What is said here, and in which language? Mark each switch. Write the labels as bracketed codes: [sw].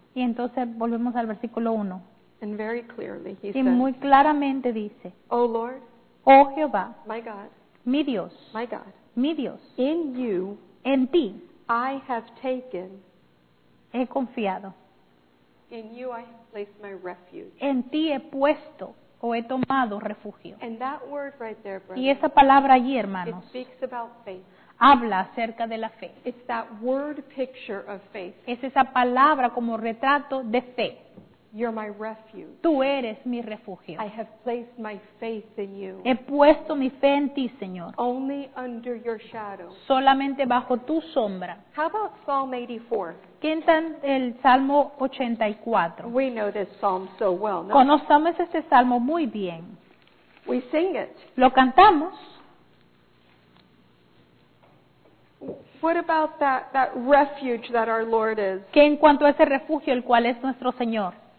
[es] Y entonces volvemos al versículo 1. [en] And very clearly he says. [es] Y muy claramente dice. [en] Oh Lord. [es] Oh Jehová. [en] My God. [es] Mi Dios. [en] My God. [es] Mi Dios. [en] In you. [es] En ti. [en] I have taken. [es] He confiado. [en] In you I have placed my refuge. [es] En ti he puesto o he tomado refugio. [en] And that word right there, brother, [es] y esa palabra allí, hermanos, [en] it speaks about faith. [es] Habla acerca de la fe. [en] It's that word picture of faith. [es] Es esa palabra como retrato de fe. [en] You're my refuge. [es] Tú eres mi refugio. [en] I have placed my faith in you. [es] He puesto mi fe en ti, Señor. [en] Only under your shadow. [es] Solamente bajo tu sombra. [en] How about Psalm 84? [es] ¿Qué tal el Salmo 84? [en] We know this psalm so well. [es] No? Conocemos este salmo muy bien. [en] We sing it. [es] Lo cantamos. [en] What about that refuge that our Lord is? [es] ¿Qué en cuanto a ese refugio el cual es nuestro Señor?